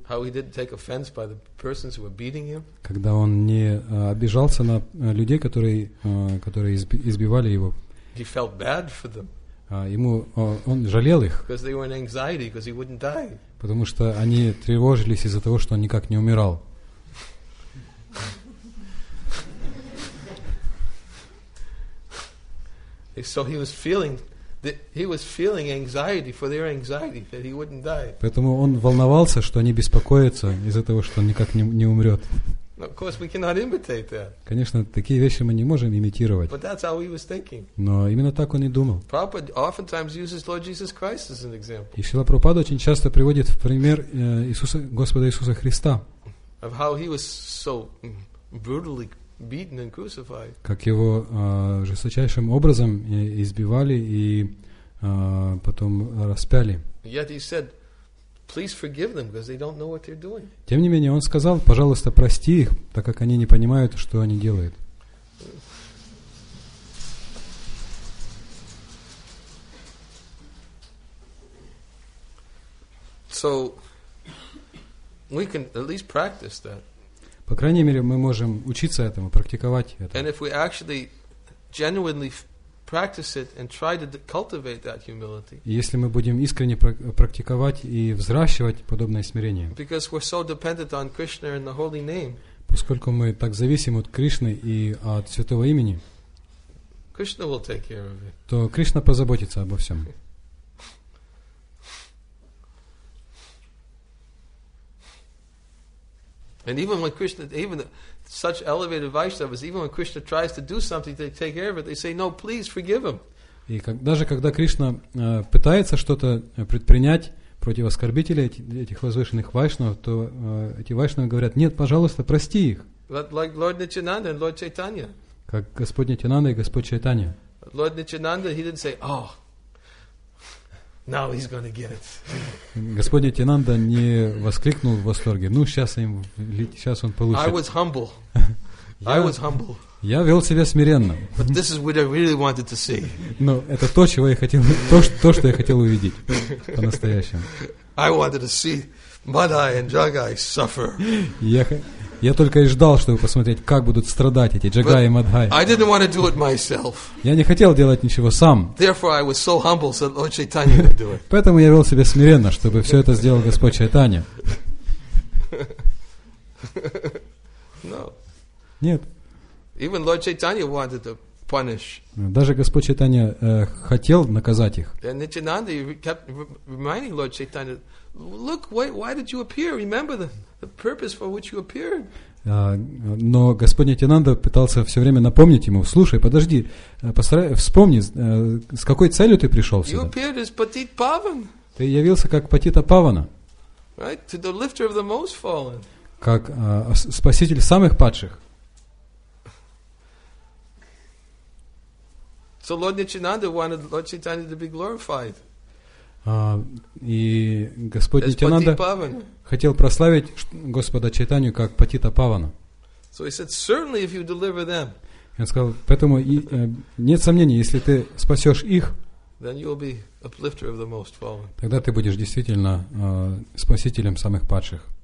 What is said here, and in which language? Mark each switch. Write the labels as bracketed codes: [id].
[en] How he didn't take offense by the persons who were beating him. [ru] Когда он не обижался на людей, которые избивали его. [en] He felt bad for them. [ru] Он жалел их. [en] Because they were in anxiety, because he wouldn't die. [ru] Потому что они тревожились из-за того, что он никак не умирал. [en] So he was feeling. He was feeling anxiety for their anxiety that he wouldn't die. [ru] Поэтому он волновался, что они беспокоятся из-за того, что он никак не умрет. [en] Of course, we cannot imitate that. [ru] Конечно, такие вещи мы не можем имитировать. [en] But that's how he was thinking. [ru] Но именно так он и думал. [en] Prabhupada oftentimes uses Lord Jesus Christ as an example. [ru] И Шрила Прабхупада очень часто приводит в пример Иисуса, Господа Иисуса Христа. [en] Of how he was so brutally beaten and crucified. [ru] Как его жесточайшим образом избивали и потом распяли. [en] Yet he said, please forgive them because they don't know what they're doing. [ru] Тем не менее, он сказал, пожалуйста, прости их, так как они не понимают, что они делают. [en] So we can at least practice that. [ru] По крайней мере, мы можем учиться этому, практиковать это. [en] And if we actually genuinely practice it and try to cultivate that humility. [ru] Если мы будем искренне практиковать и взращивать подобное смирение. [en] Because we're so dependent on Krishna and the holy name. [ru] Поскольку мы так зависим от Кришны и от святого имени. [en] Krishna will take care of it. [ru] То Кришна позаботится обо всем. [en] And even when Krishna, even such elevated Vaishnavas, even when Krishna tries to do something to take care of it, they say, no, please forgive him. [ru] И даже когда Кришна пытается что-то предпринять против оскорбителей этих возвышенных Вайшнав, то эти Вайшнавы говорят, нет, пожалуйста, прости их. [en] Like Lord Nityananda and Lord Chaitanya. [ru] Как Господь Нитянанда и Господь Чайтанья. [en] Lord Nityananda, he didn't say, oh, now he's going to get it. [ru] Господь Нитянанда не воскликнул в восторге. Ну, сейчас он получит. [en] I was humble. I was humble. [ru] Я вел себя смиренно. [en] But this is what I really wanted to see. [ru] Но это то, чего я хотел, то, что я хотел увидеть по-настоящему. [en] I wanted to see Madai and Jagai suffer. [ru] Я только и ждал, чтобы посмотреть, как будут страдать эти Джагай и Мадхай. [en] I didn't want to do it myself. [ru] Я не хотел делать ничего сам. [en] Therefore, I was so humble, so Lord Chaitanya would do it. [ru] Поэтому я вел себя смиренно, чтобы все это сделал Господь Чайтанья. [en] No. [ru] Нет. [en] Even Lord Chaitanya wanted to punish. [ru] Даже Господь Чайтанья хотел наказать их. [en] And Nityananda kept reminding Lord Chaitanya, look, why did you appear? Remember the purpose for which you appeared. [ru] Но Господь Нитянанда пытался все время напомнить ему, слушай, подожди, вспомни, с какой целью ты пришел сюда. [en] You appeared as Patit Pavan. [ru] Ты явился как Патита Павана. [en] Right? To the lifter of the most fallen. [ru] как спаситель самых падших. [en] So Lord Nityananda wanted Lord Chaitanya to be glorified. [ru] И Господь Нитянанда хотел прославить Господа Чайтанью как Патита Павана. [en] So he said, certainly if you deliver them. [ru] Он сказал, поэтому нет сомнений, если ты спасешь их, [en] then you will be uplifter of the most fallen. [ru] Тогда ты будешь действительно спасителем самых падших.